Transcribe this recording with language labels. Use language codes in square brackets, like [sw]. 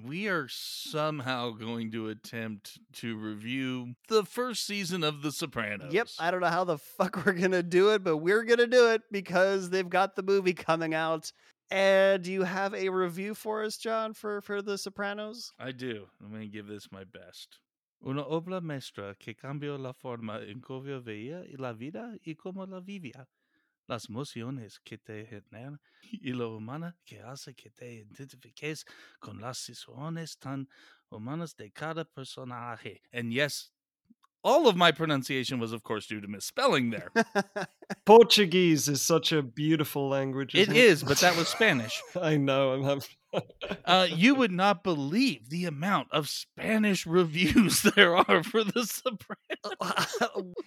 [en] We are somehow going to attempt to review the first season of The Sopranos. Yep, I don't know how the fuck we're going to do it, but we're going to do it because they've got the movie coming out. And do you have a review for us, John, for The Sopranos? I do. I'm going to give this my best. [es] Una obra maestra que cambió la forma en que yo veía y la vida y cómo la vivía. Las emociones que te generan y lo humana que hace que te identifiques con las situaciones tan humanas de cada personaje. [en] And yes, all of my pronunciation was, of course, due to misspelling there. Portuguese is such a beautiful language. It is, but that was Spanish. I know. I'm you would not believe the amount of Spanish reviews there are for The Sopranos.